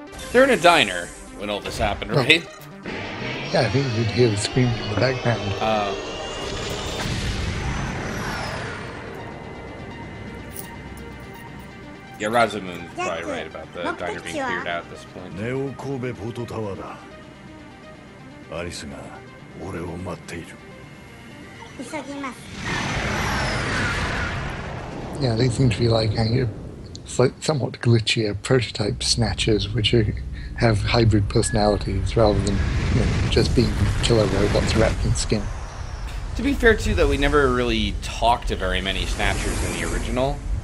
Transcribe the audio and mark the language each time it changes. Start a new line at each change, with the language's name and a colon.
English: They're in a diner when all this happened, right? Yeah, yeah, I think you'd hear the scream from the background. Yeah, Razamun's probably right about the diner being cleared out at this point.
Japanese: Neo Kobe Porto Tower だ。アリスが俺を待っている。急ぎます。
English: Yeah, they seem to be like a somewhat glitchier prototype snatchers, which are, have hybrid personalities rather than, you know, just being killer robots wrapped in skin. To be fair, too, though, we never really talked to very many snatchers in the original.